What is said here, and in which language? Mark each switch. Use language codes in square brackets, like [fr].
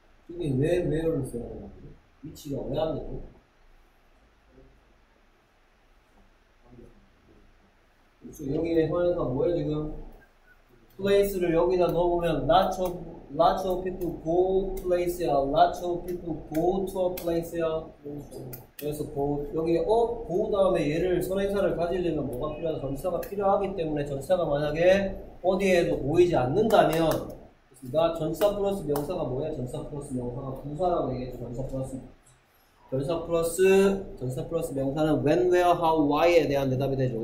[ko] 여기 왜 where를 써야 된다고? which가 왜 안 되고? 여기에 현에서 뭐예요 지금? place를 여기다 넣어보면 [en] lots of people go place야, lots of people go to a place야. [ko] 그래서 go, 여기에 어? go 다음에 얘를 선행사를 가지려면 뭐가 필요하다? 전치사가 필요하기 때문에 전치사가 만약에 어디에도 보이지 않는다면 그러니까 전치사 플러스 명사가 뭐예요? 전치사 플러스 명사가 부사라고 얘기해서 전사 플러스 명사는 when, where, how, why에 대한 대답이 되죠.